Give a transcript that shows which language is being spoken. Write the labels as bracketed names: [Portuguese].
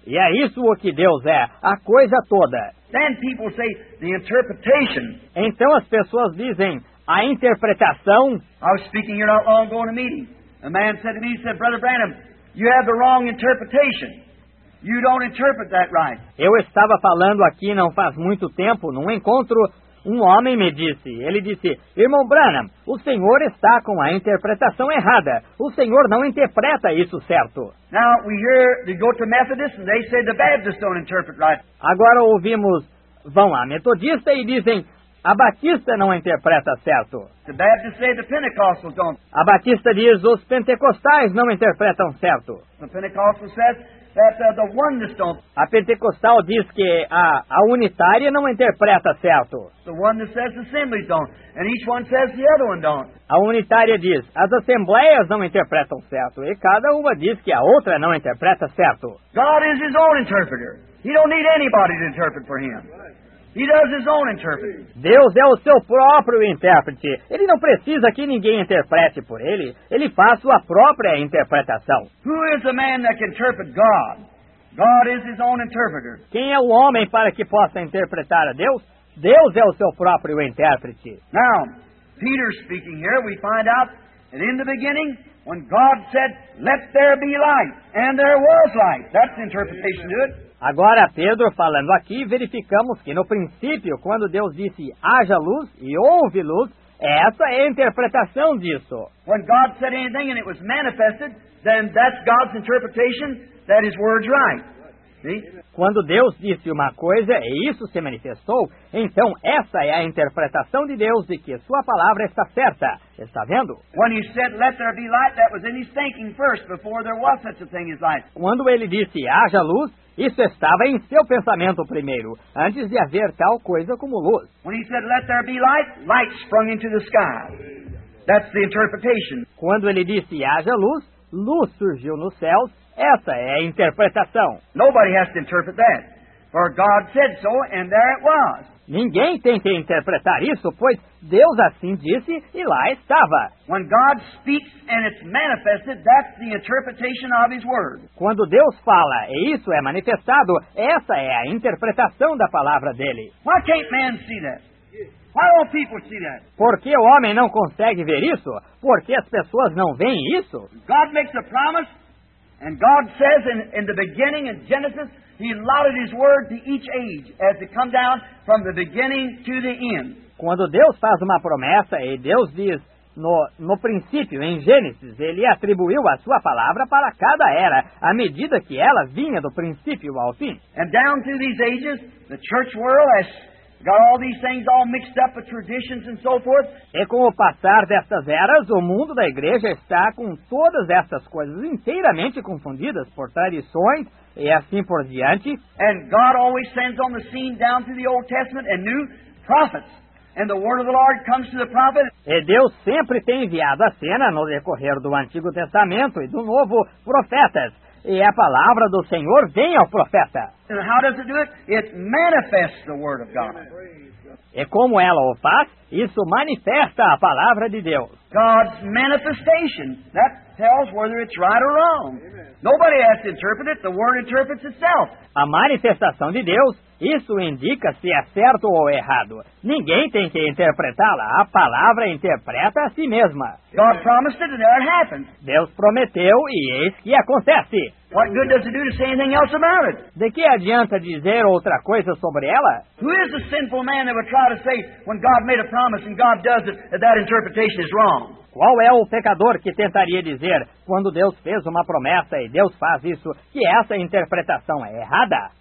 [Portuguese] E é isso o que Deus é, a coisa toda. [English] Then people say the interpretation. [Portuguese] Então as pessoas dizem a interpretação. [English] I was speaking here not long ago in a meeting. A man said to me, he said, Brother Branham, you have the wrong interpretation. You don't interpret that right. [Portuguese] Eu estava falando aqui não faz muito tempo, num encontro. Um homem me disse, ele disse, Irmão Branham, o senhor está com a interpretação errada. O senhor não interpreta isso certo. [English] Now we hear they go to Methodists and they say the Baptists don't interpret right. [Portuguese] Agora ouvimos, vão à Metodista e dizem, a Batista não interpreta certo. [English] The Baptists say the Pentecostals don't. [Portuguese] A Batista diz, os Pentecostais não interpretam certo. [English] The Pentecostal says that the oneness don't. [Portuguese] A Pentecostal diz que a unitária não interpreta certo. [English] The oneness says the assemblies don't. And each one says the other one don't. [Portuguese] A unitária diz, as assembleias não interpretam certo. E cada uma diz que a outra não interpreta certo. [English] God is his own interpreter. He don't need anybody to interpret for him. He does his own interpreting. [Portuguese] Deus é o seu próprio intérprete. Ele não precisa que ninguém interprete por ele. Ele faz sua própria interpretação. [English] Who is the man that can interpret God? God is his own interpreter. [Portuguese] Quem é o homem para que possa interpretar a Deus? Deus é o seu próprio intérprete. [English] Now, Peter speaking here, we find out that in the beginning, when God said, "Let there be light," and there was light. That's interpretation to it. [Portuguese] Agora, Pedro falando aqui, verificamos que no princípio, quando Deus disse, "Haja luz" e "Houve luz", essa é a interpretação disso. [English] When God said anything and it was manifested, then that's God's interpretation. That his word's right. See? [Portuguese] Quando Deus disse uma coisa e isso se manifestou, então essa é a interpretação de Deus de que sua palavra está certa. Está vendo? [English] When he said, "Let there be light," that was in his thinking first, before there was such a thing as light. [Portuguese] Quando ele disse, "Haja luz," isso estava em seu pensamento primeiro, antes de haver tal coisa como luz. [English] When he said, "Let there be light," light sprung into the sky. That's the interpretation. [Portuguese] Quando ele disse, "Haja luz," luz surgiu nos céus. Essa é a interpretação. [English] Nobody has to interpret that, for God said so, and there it was. [Portuguese] Ninguém tem que interpretar isso, pois Deus assim disse e lá estava. [English] When God speaks and it's manifested, that's the interpretation of his word. [Portuguese] Quando Deus fala e isso é manifestado, essa é a interpretação da palavra dele. [English] Why can't man see that? Why don't people see that? [Portuguese] Por que o homem não consegue ver isso? Por que as pessoas não veem isso? [English] God makes a promise. And God says in the beginning, in Genesis, he allotted his word to each age as it come down from the beginning to the end. [Portuguese] Quando Deus faz uma promessa e Deus diz no princípio, em Gênesis, ele atribuiu a sua palavra para cada era, à medida que ela vinha do princípio ao fim. [English] And down through these ages, the church world has got all these things all mixed up with traditions and so forth. [Portuguese] E com o passar destas eras, o mundo da igreja está com todas estas coisas inteiramente confundidas por tradições e assim por diante. [English] And God always sends on the scene down through the Old Testament and new prophets. And the word of the Lord comes to the prophet. [Portuguese] E Deus sempre tem enviado à cena no decorrer do Antigo Testamento e do Novo profetas. E a palavra do Senhor vem ao profeta. [English] And how does it do it? It manifests the word of God. [Portuguese] E como ela o faz? Isso manifesta a palavra de Deus. [English] God's manifestation. That tells whether it's right or wrong. Amen. Nobody has to interpret it. The word interprets itself. [Portuguese] A manifestação de Deus, isso indica se é certo ou errado. Ninguém tem que interpretá-la. A palavra interpreta a si mesma. [English] God promised it and there it happens. [Portuguese] Deus prometeu e eis que acontece. [English] What good does it do to say anything else about it? [Portuguese] De que adianta dizer outra coisa sobre ela? [English] Who is the sinful man that would try to say when God made a promise and God does it, that interpretation is wrong? [Portuguese] Qual é o pecador que tentaria dizer, quando Deus fez uma promessa e Deus faz isso, que essa interpretação é errada?